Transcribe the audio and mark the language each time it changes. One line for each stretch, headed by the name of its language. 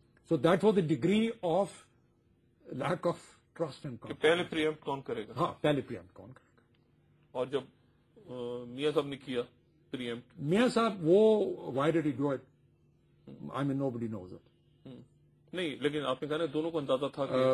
English: So that was the degree of lack of trust and confidence.
Urdu: پہلے preempt کون کرے گا؟ ہاں پہلے preempt کون کرے گا, اور جب میاں صاحب نے کیا preempt,
English: میاں صاحب وہ why did he do it I mean nobody knows it.
Urdu: نہیں لیکن آپ نے کہا نا دونوں کو اندازہ تھا